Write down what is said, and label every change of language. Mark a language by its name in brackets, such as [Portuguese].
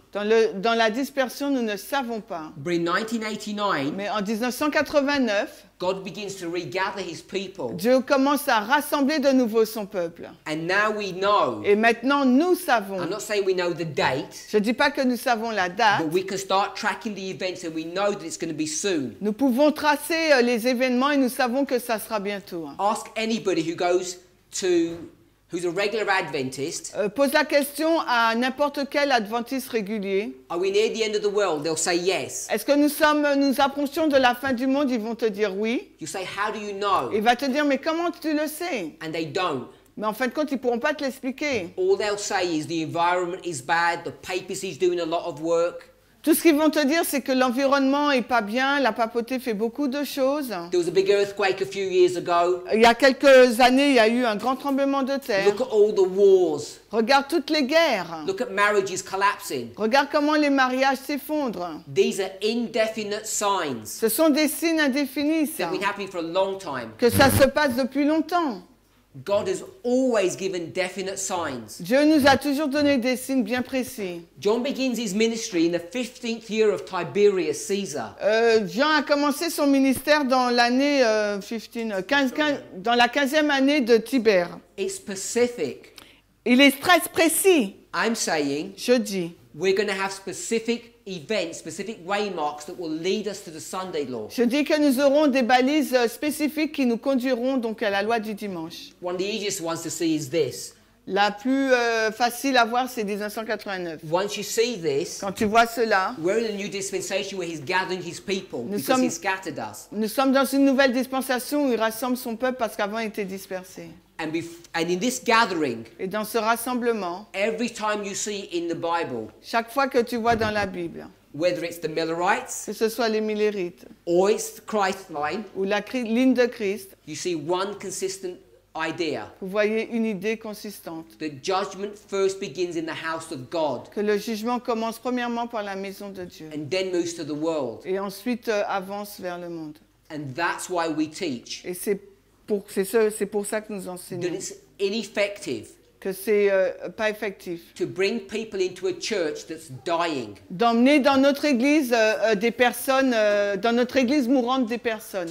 [French] dans la dispersion, nous ne savons pas. [English] But in 1989, [French] mais en 1989, [English] God begins to regather his people. [French] Dieu commence à rassembler de nouveau son peuple. [English] And now we know, [French] et maintenant, nous savons. [English] I'm not saying we know the date, [French] je ne dis pas que nous savons la date. [English] But we can start tracking the events and we know that it's going to be soon. [French] Nous pouvons tracer les événements et nous savons que ça sera bientôt. [English] Ask anybody who goes to... who's a regular Adventist. [French] Pose la question à n'importe quel adventiste régulier. [English] Are we near the end of the world? They'll say yes. [French] Est-ce que nous approchons de la fin du monde? Ils vont te dire oui. [English] You say, how do you know? [French] Il va te dire, mais comment tu le sais? [English] And they don't. [French] Mais en fin de compte, ils ne pourront pas te l'expliquer. [English] All they'll say is the environment is bad, the papacy is doing a lot of work. [French] Tout ce qu'ils vont te dire, c'est que l'environnement n'est pas bien, la papauté fait beaucoup de choses. [English] There was a big earthquake a few years ago. [French] Il y a quelques années, il y a eu un grand tremblement de terre. [English] Look at all the wars. [French] Regarde toutes les guerres. [English] Look at marriages collapsing. [French] Regarde comment les mariages s'effondrent. [English] These are indefinite signs. [French] Ce sont des signes indéfinis. [English] That have been happening for a long time. [French] Que ça se passe depuis longtemps. [English] God has always given definite signs. [French] Dieu nous a toujours donné des signes bien précis. [English] John begins his ministry in the 15th year of Tiberius Caesar. [French] John a commencé son ministère dans l'année 15, dans la 15e année de Tibère. [English] It's specific. [French] Il est très précis. [English] I'm saying. [French] Je dis. [English] We're going to have specific events, specific waymarks that will lead us to the Sunday law. [French] Je dis que nous aurons des balises spécifiques qui nous conduiront donc à la loi du dimanche. [English] One of the easiest ones to see is this. [French] La plus facile à voir, c'est 1989. [English] Once you see this, [French] quand tu vois cela, [English] we're in a new dispensation where he's gathering his people because he scattered us. [French] Nous sommes dans une nouvelle dispensation où il rassemble son peuple parce qu'avant il était dispersé. [English] And in this gathering, [French] et dans ce rassemblement, [English] every time you see in the Bible, [French] chaque fois que tu vois dans la Bible, [English] whether it's the Millerites, [French] que ce soit les Millerites, [English] or it's the Christ line, [French] ou la ligne de Christ, [English] you see one consistent idea. [French] Vous voyez une idée consistante. [English] The judgment first begins in the house of God. [French] Que le jugement commence premièrement par la maison de Dieu. [English] And then moves to the world. [French] Et ensuite avance vers le monde. [English] And that's why we teach. [French] Et c'est pour ça que nous enseignons. [English] That it's ineffective. [French] Que c'est pas effectif. [English] To bring people into a church that's dying. [French] D'emmener dans notre église des personnes, dans notre église mourante des personnes.